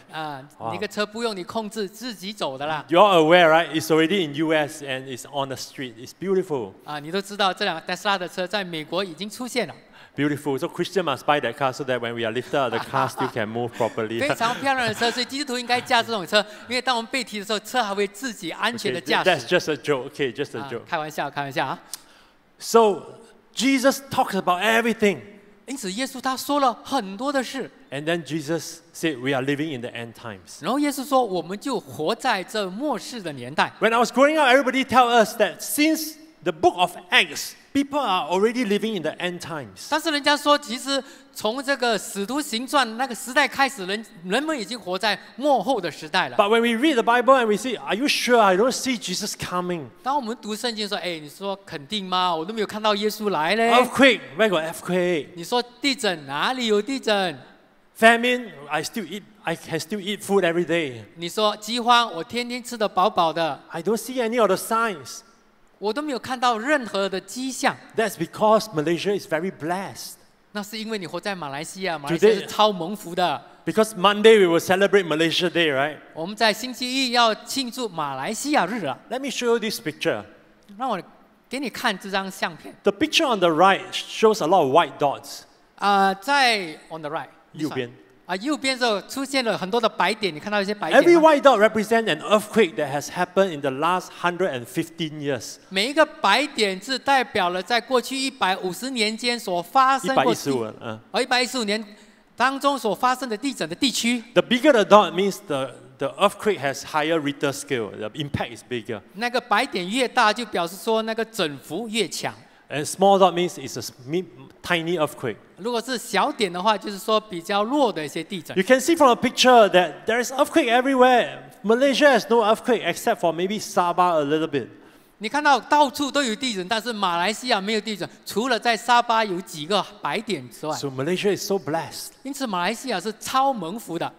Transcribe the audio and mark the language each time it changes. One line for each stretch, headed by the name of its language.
Chinese: 啊，一个车不用你控制，自己走的啦。
English: You're aware, right? It's already in U.S. and it's on the street. It's beautiful.
Chinese: 啊，你都知道这辆 Tesla 的车在美国已经出现了。
English: Beautiful. So Christian must buy that car so that when we are lifted up, the car still can move properly.
Chinese: 非常漂亮的车，所以基督徒应该驾这种车，因为当我们被提的时候，车还会自己安全的驾驶。
English: That's just a joke. Okay, just a joke.
Chinese: 开玩笑，开玩笑啊。
English: So Jesus talks about everything.
Chinese: 因此，耶稣他说了很多的事。
English: And then Jesus said, "We are living in the end times."
Chinese: 然后耶稣说，我们就活在这末世的年代。
English: When I was growing up, everybody tell us that since the book of Acts. People are already living in the end times.
Chinese: 但是人家说，其实从这个《使徒行传》那个时代开始，人们已经活在末后的时代了。
English: But when we read the Bible and we say, "Are you sure? I don't see Jesus coming."
Chinese: 当我们读圣经说，哎，你说肯定吗？我都没有看到耶稣来嘞。
English: Earthquake, where got earthquake?
Chinese: 你说地震哪里有地震
English: ？Famine, I can still eat food every day.
Chinese: 你说饥荒，我天天吃得饱饱的。
English: I don't see any of the signs.
Chinese: 我都没有看到任何的迹象。
English: That's because Malaysia is very blessed.
Chinese: 那是因为你活在马来西亚，马来西亚是超蒙福的。
English: Because Monday we will celebrate Malaysia Day, right?
Chinese: 我们在星期一要庆祝马来西亚日了。
English: Let me show you this picture.
Chinese: 让我给你看这张相片。
English: The picture on the right shows a lot of white dots. 在 on the right.
Chinese: 右边。右边就出现了很多的白点，你看到一些白点。
English: Every white dot represents an earthquake that has happened in the last 115 years.
Chinese: 每一个白点是代表了在过去150年间所发生过。 115年当中所发生的地震的地区。
English: The bigger the dot means the earthquake has higher Richter scale. The impact is bigger.
Chinese: 那个白点越大，就表示说那个振幅越强。
English: And small dot means it's a tiny earthquake.
Chinese: 如果是小点的话，就是说比较弱的一些地震。
English: You can see from the picture that there is earthquake everywhere. Malaysia has no earthquake except for maybe Sabah a little bit.
Chinese: 你看到到处都有地震，但是马来西亚没有地震，除了在沙巴有几个白点之外。
English: So Malaysia is so blessed.
Chinese: 因此，马来西亚是超蒙福的。